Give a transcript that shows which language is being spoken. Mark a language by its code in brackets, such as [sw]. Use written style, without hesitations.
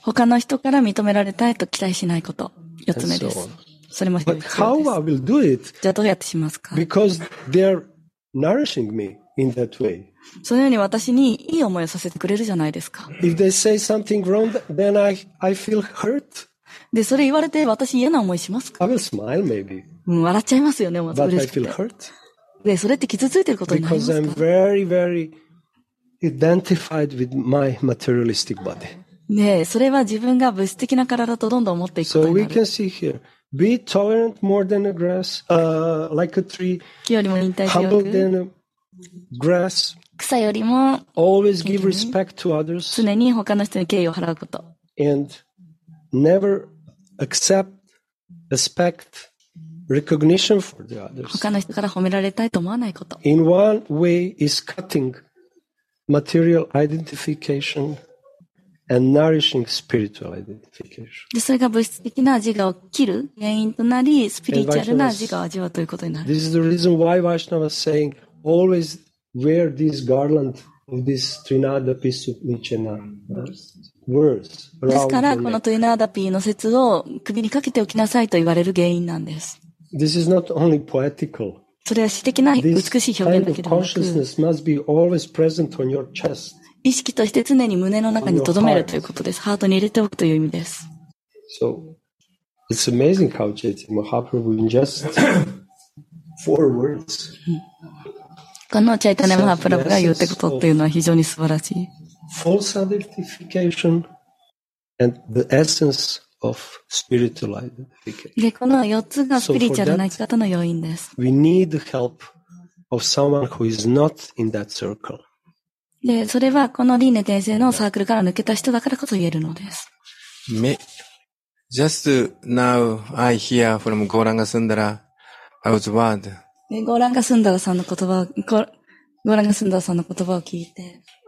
[ja] 他の人から認められたいと期待しないこと。四つ目です。それも必要です。 [en] But how I will do it? [ja] じゃあどうやってしますか? [en] Because they're nourishing me in that way. [ja] そのように私にいい思いをさせてくれるじゃないですか。 [en] If they say something wrong, then I feel hurt. [ja] で、それ言われて私嫌な思いしますか? [en] I will smile maybe. [ja] 笑っちゃいますよね、私。 [en] But I feel hurt. [ja] で、それって傷ついてることになりますか? [en] Because I'm very, very identified with my materialistic body. [ja] ね、それは自分が物質的な体とどんどん持っていくことになる。 [en] So we can see here, be tolerant more than a grass, like a tree. [ja] 木よりも忍耐強く。 [en] Humble than a grass. [ja] 草よりも。 [en] Always give respect to others. [ja] 常に他の人に敬意を払うこと。 [en] And never accept, respect. Recognition for the others. [ja] 他の人から褒められたいと思わないこと。 [en] In one way is cutting material identification and nourishing spiritual identification. [ja] で、それが物質的な自我を切る原因となり、スピリチュアルな自我を味わうということになる。 [en] This is the reason why Vaishnava is saying always wear this garland of this Trinada Pisu Nichena words around [ja] ですから、このトリナーダピーの説を首にかけておきなさいと言われる原因なんです。 [en] This is not only poetical. [ja] それは詩的な美しい表現だけではなく、 [en] consciousness must be always present on your chest. [ja] 意識として常に胸の中に留めるということです。ハートに入れておくという意味です。 [en] So, it's amazing how J.T. Mahaprabhu in just four words. [ja] このチャイタネ・マハプラブが言うってことっていうのは非常に素晴らしい。 [en] False identification and the essence of spiritual identification. [ja] で、この4つがスピリチュアルな生き方の要因です。 [en] We need the help of someone who is not in that circle. [ja] で、それはこの輪廻転生のサークルから抜けた人だからこそ言えるのです。 [en] Just now I hear from Gauranga Sundara out word. [ja] ゴーランガスンダラさんの言葉を、ゴーランガスンダラさんの言葉を聞いて。